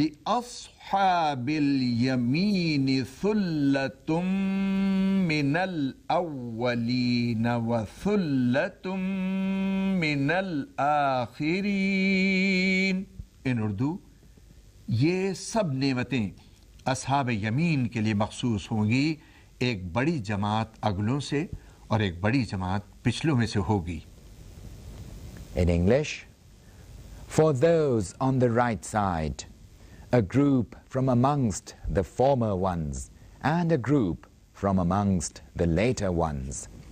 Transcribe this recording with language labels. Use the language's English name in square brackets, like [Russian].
[Arabic] لأصحاب اليمين ثلة من الأولين وثلة من الآخرين. [English] In Urdu, [Urdu] یہ سب نعمتیں اصحاب یمین کے لیے مخصوص ہوں گی, ایک بڑی جماعت اگلوں سے اور ایک بڑی جماعت پچھلوں میں سے ہوگی. [English] In English, for those on the right side, a group from amongst the former ones and a group from amongst the later ones.